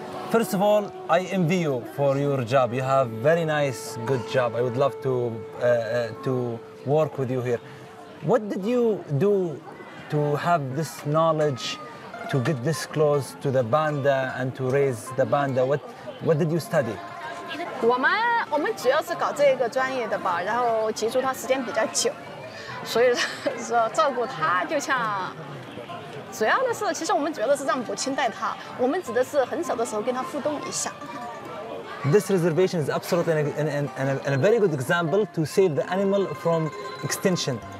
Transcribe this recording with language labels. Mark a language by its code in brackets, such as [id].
[en] First of all, I envy you for your job. You have very nice, good job. I would love to work with you here. What did you do to have this knowledge, to get this close to the banda and to raise the banda? What did you study? [zh] 我们主要是搞这个专业的吧，然后接触它时间比较久，所以说照顾它就像。主要的是其实我们觉得是让母亲带他，我们指的是很小的时候跟他互动一下。 [en] This reservation is absolutely a very good example to save the animal from extinction.